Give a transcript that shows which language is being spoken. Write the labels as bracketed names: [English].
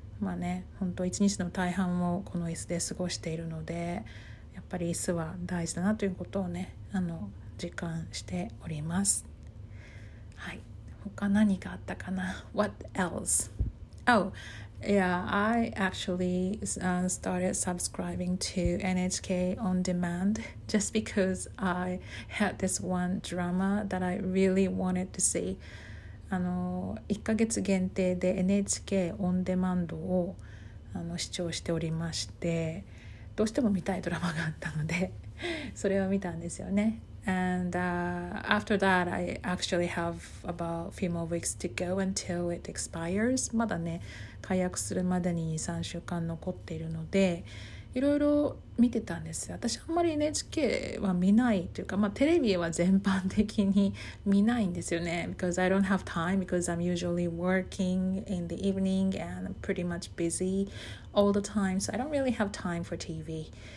[Japanese] まあね、本当一日の大半をこの椅子で過ごしているので、やっぱり椅子は大事だなということをね、あの、実感しております。はい、他何があったかな？ [English] What else? Oh,Yeah, I actually started subscribing to NHK On Demand just because I had this one drama that I really wanted to see. [Japanese] あの、1ヶ月限定で NHK オンデマンドをあの視聴しておりまして、どうしても見たいドラマがあったので、それを見たんですよね。 [English] And after that, I actually have about a few more weeks to go until it expires. [Japanese] まだね、解約するまでに 2-3 週間残っているので、いろいろ見てたんです。私あんまり NHK は見ないというか、まあ、テレビは全般的に見ないんですよね。 [English] Because I don't have time, because I'm usually working in the evening and I'm pretty much busy all the time, so I don't really have time for TV.